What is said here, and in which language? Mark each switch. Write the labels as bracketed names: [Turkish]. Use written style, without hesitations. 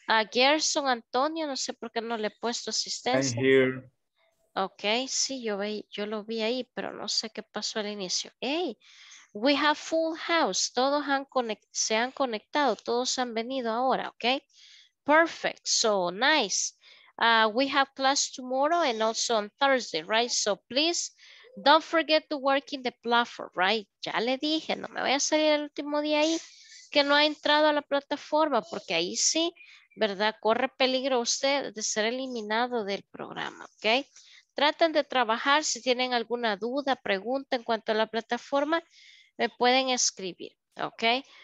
[Spanish] Gerson Antonio, no sé por qué no le he puesto asistencia. [English] I'm here. [Spanish] Ok, sí, yo lo vi ahí, pero no sé qué pasó al inicio. [English] Hey, we have full house. [Spanish] Todos se han conectado, todos han venido ahora, ok. [English] Perfect, so nice. We have class tomorrow and also on Thursday, right? So please don't forget to work in the platform, right? [Spanish] Ya le dije, no me voy a salir el último día ahí que no ha entrado a la plataforma, porque ahí sí, ¿verdad? Corre peligro usted de ser eliminado del programa, ¿ok? Traten de trabajar. Si tienen alguna duda, pregunta en cuanto a la plataforma, me pueden escribir, ¿ok?